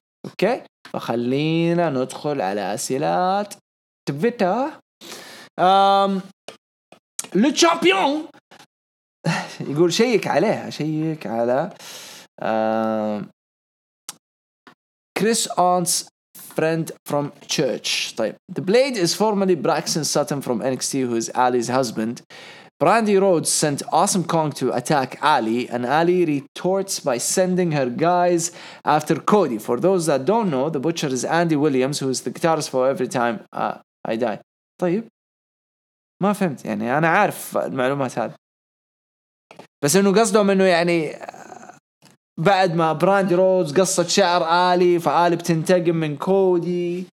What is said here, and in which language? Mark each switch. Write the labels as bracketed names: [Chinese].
[Arabic] أوكي، فخلينا ندخل على أسئلة تويتر. لو تشامبيون يقول شيك على كريس أونز [English] friend from church. [Arabic] طيب. [English] The Blade is formerly Braxton Sutton from NXT, who is Ali's husband. Brandi Rhodes sent Awesome Kong to attack Ali, and Ali retorts by sending her guys after Cody. For those that don't know, the Butcher is Andy Williams, who is the guitarist for Every Time I Die. [Arabic] طيب. ما فهمت يعني، أنا عارف المعلومات هذه، بس إنه قصدهم إنه يعني بعد ما براندي روز قصت شعر آلي فآلي بتنتقم من كودي.